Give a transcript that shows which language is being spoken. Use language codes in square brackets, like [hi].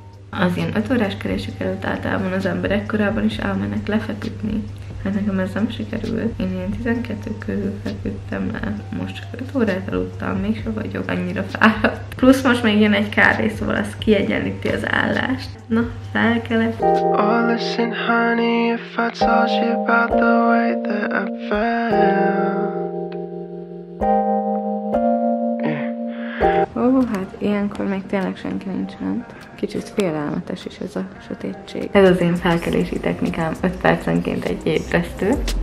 [hu] Az ilyen 5 órás keresők előtt általában az emberek korábban is elmennek lefeküdni. Hát nekem ez nem sikerült. Én ilyen 12 körül feküdtem le. Most csak 5 órát aludtam, mégsem vagyok annyira fáradt. Plusz most még jön egy kávé, szóval az kiegyenlíti az állást. Na, felkelek. [en] Oh, listen honey, if I told you about the way that I felt. [hu] Hát ilyenkor még tényleg senki nincs lent. Kicsit félelmetes is ez a sötétség. Ez az én felkelési technikám, 5 percenként egy ébresztő.